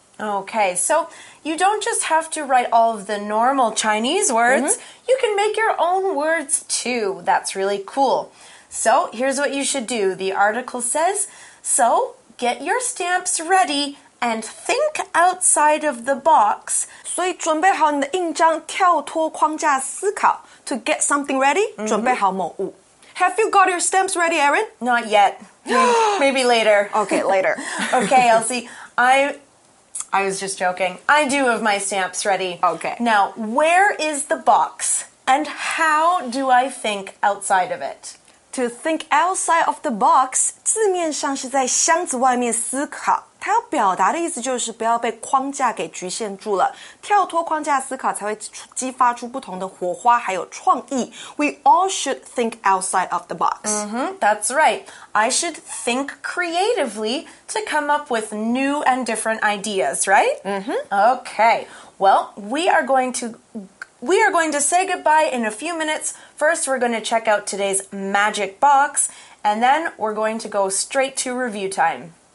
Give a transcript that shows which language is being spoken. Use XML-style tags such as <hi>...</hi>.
<en>Okay, so you don't just have to write all of the normal Chinese words.、Mm-hmm. You can make your own words too. That's really cool. So here's what you should do. The article says, so get your stamps ready and think outside of the box.</en> <zh>所以准备好你的印章，跳脱框架思考。</zh> <en>To get something ready,、mm-hmm.</en> <zh>准备好某物。</zh> <en>Have you got your stamps ready, Erin? Not yet. Maybe later. Okay, later. Okay, Elsie, I was just joking. I do have my stamps ready. Okay. Now, where is the box? And how do I think outside of it? To think outside of the box,</en> <zh>字面上是在箱子外面思考。它要表达的意思就是不要被框架给局限住了。跳脱框架思考才会激发出不同的火花还有创意。</zh> <en>We all should think outside of the box. Mm-hmm, that's right. I should think creatively to come up with new and different ideas, right? Mm-hmm. Okay. Well, we are going to say goodbye in a few minutes. First, we're going to check out today's magic box. And then we're going to go straight to review time.</en>